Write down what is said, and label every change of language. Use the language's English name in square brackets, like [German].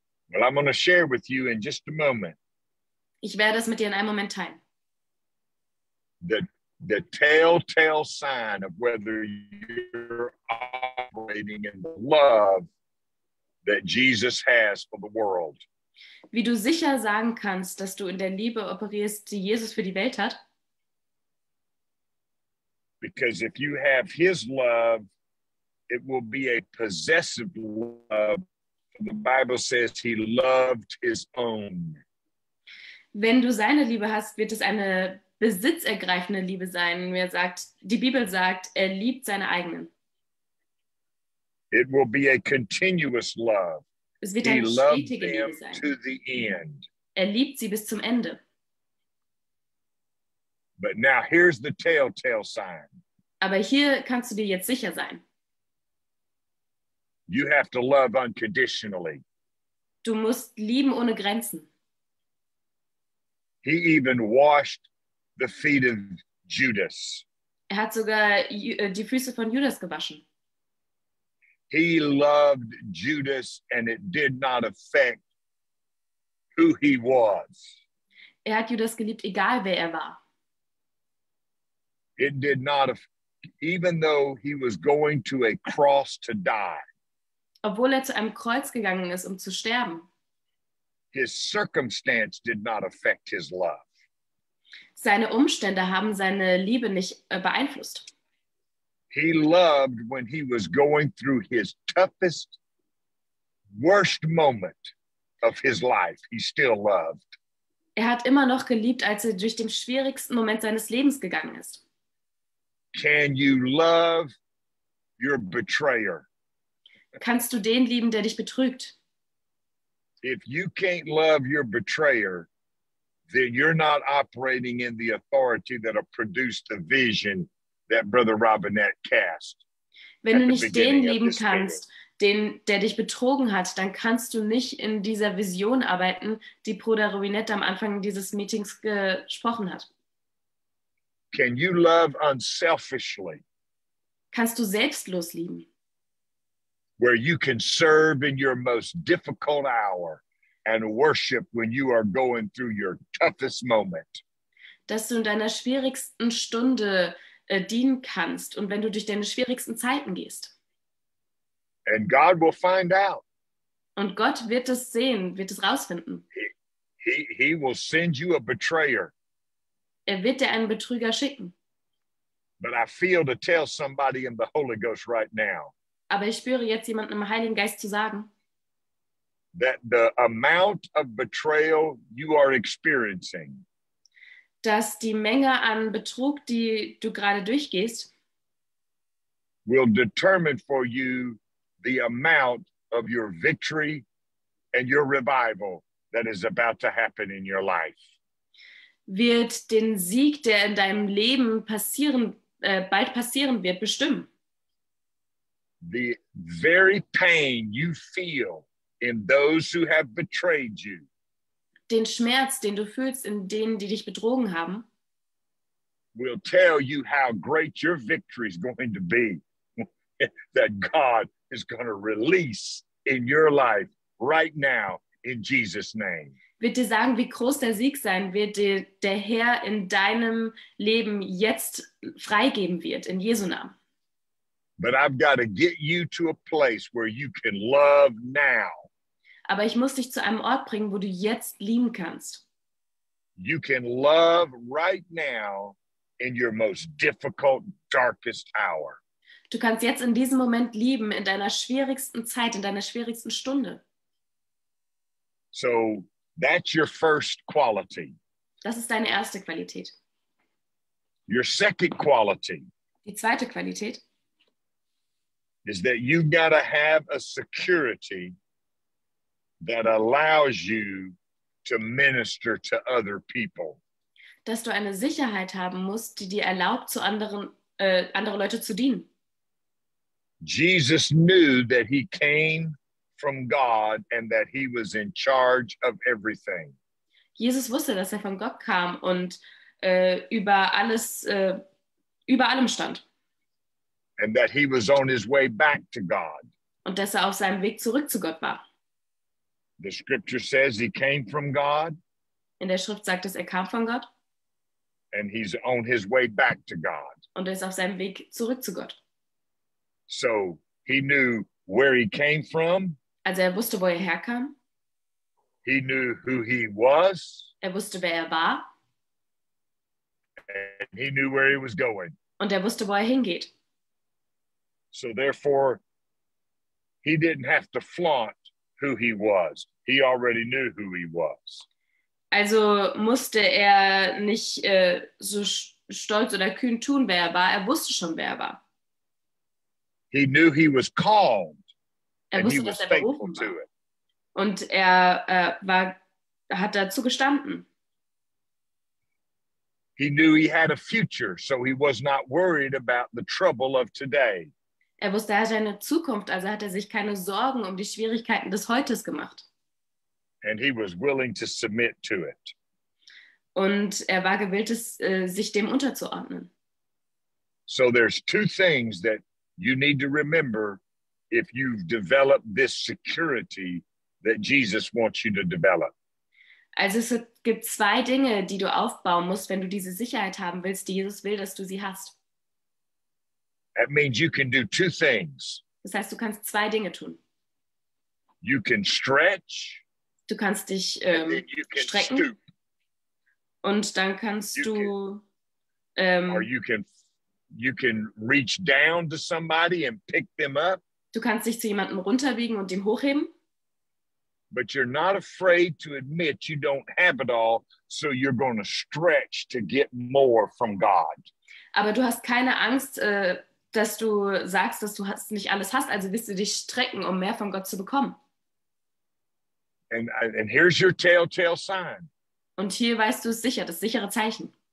[English] Well, I'm going to share with you in just a moment. [German] Ich werde es mit dir in einem Moment teilen. [English] The telltale sign of whether you're operating in the love that Jesus has for the world. [German] Wie du sicher sagen kannst, dass du in der Liebe operierst, die Jesus für die Welt hat. [English] Because if you have his love, it will be a possessive love. The Bible says he loved his own. [German] Wenn du seine Liebe hast, wird es eine besitzergreifende Liebe sein. Mir sagt, die Bibel sagt, er liebt seine eigenen. [English] It will be a continuous love. [German] Es wird eine stetige Liebe sein. [English] To the end. [German] Er liebt sie bis zum Ende. [English] But now here's the telltale sign. [German] Aber hier kannst du dir jetzt sicher sein. [English] You have to love unconditionally. [German] Du musst lieben ohne Grenzen. [English] He even washed the feet of Judas. [German] Er hat sogar die Füße von Judas gewaschen. [English] He loved Judas and it did not affect who he was. [German] Er hat Judas geliebt, egal wer er war. [English] It did not, even though he was going to a cross to die. [German] Obwohl er zu einem Kreuz gegangen ist, um zu sterben. [English] His circumstance did not affect his love. [German] seine Umstände haben seine Liebe nicht beeinflusst. [English] He loved when he was going through his toughest, worst moment of his life. He still loved. [German] Er hat immer noch geliebt, als er durch den schwierigsten Moment seines Lebens gegangen ist. [English] Can you love your betrayer? [German] Kannst du den lieben, der dich betrügt? [English] If you can't love your betrayer, then you're not operating in the authority that will produce the vision that Brother Robinette cast. [German] Wenn du nicht den lieben kannst, den, der dich betrogen hat, dann kannst du nicht in dieser Vision arbeiten, die Bruder Robinette am Anfang dieses Meetings gesprochen hat. [English] Can you love unselfishly? [German] Kannst du selbstlos lieben? [English] Where you can serve in your most difficult hour and worship when you are going through your toughest moment. [German] Dass du in deiner schwierigsten Stunde dienen kannst und wenn du durch deine schwierigsten Zeiten gehst. [English] And God will find out. [German] Und Gott wird es sehen, wird es rausfinden. [English] He will send you a betrayer. [German] Er wird dir einen Betrüger schicken. [English] But I feel to tell somebody in the Holy Ghost right now. [German] Aber ich spüre jetzt jemanden im Heiligen Geist zu sagen. [English] That the amount of betrayal you are experiencing. [German] Dass die Menge an Betrug, die du gerade durchgehst, [English] will determine for you the amount of your victory and your revival that is about to happen in your life. [German] Wird den Sieg, der in deinem Leben passieren, bald passieren wird, bestimmen. [English] The very pain you feel in those who have betrayed you. [German] Den Schmerz, den du fühlst in denen, die dich betrogen haben, [English] will tell you how great your victory is going to be that God is going to release in your life right now in Jesus' name. [German] Wird dir sagen, wie groß der Sieg sein wird, der Herr in deinem Leben jetzt freigeben wird, in Jesu Namen. [English] But I've got to get you to a place where you can love now. [German] Aber ich muss dich zu einem Ort bringen, wo du jetzt lieben kannst. [English] You can love right now in your most difficult, darkest hour. [German] Du kannst jetzt in diesem Moment lieben, in deiner schwierigsten Zeit, in deiner schwierigsten Stunde. [English] So that's your first quality. [German] Das ist deine erste Qualität. [English] Your second quality. [German] Die zweite Qualität. [English] Is that you've got to have a security that allows you to minister to other people. [German] Dass du eine Sicherheit haben musst, die dir erlaubt, zu anderen andere Leute zu dienen. [English] Jesus knew that he came from God and that he was in charge of everything. [German] Jesus wusste, dass er von Gott kam und über alles über allem stand. [English] And that he was on his way back to God. [German] Und dass er auf seinem Weg zurück zu Gott war. [English] The scripture says he came from God. [German] In der Schrift sagt es, er kam von Gott. [English] And he's on his way back to God. [German] Und er ist auf seinem Weg zurück zu Gott. [English] So he knew where he came from. [German] Also er wusste, wo er herkam. [English] He knew who he was. [German] Er wusste, wer er war. [English] And he knew where he was going. [German] Und er wusste, wo er hingeht. [English] So therefore, he didn't have to flaunt who he was. He already knew who he was. [German] Also musste er nicht so stolz oder kühn tun, wer er war. Er wusste schon, wer er war. [English] He knew he was called. [German] Er wusste, dass er berufen war. Und er hat dazu gestanden. [English] He knew he had a future, so he was not worried about the trouble of today. [German] Er wusste, er hat eine Zukunft, also hat er sich keine Sorgen um die Schwierigkeiten des Heutes gemacht. [English] And he was willing to submit to it. [German] Und er war gewillt, es, sich dem unterzuordnen. [English] So there's two things that you need to remember if you've developed this security that Jesus wants you to develop. [German] Also es gibt zwei Dinge, die du aufbauen musst, wenn du diese Sicherheit haben willst, die Jesus will, dass du sie hast. [English] That means you can do two things. [German] Das heißt, du kannst zwei Dinge tun. [English] You can stretch. [German] Du kannst dich strecken. Stoop. Und dann kannst du [English] or you can reach down to somebody and pick them up. [German] Du kannst dich zu jemandem runterbiegen und ihn hochheben. [English] But you're not afraid to admit you don't have it all, so you're going to stretch to get more from God. [German] Aber du hast keine Angst, dass du sagst, dass du hast, nicht alles hast, also wirst du dich strecken, um mehr von Gott zu bekommen. [English] And here's your telltale sign. [German] Und hier weißt du es sicher, das sichere Zeichen.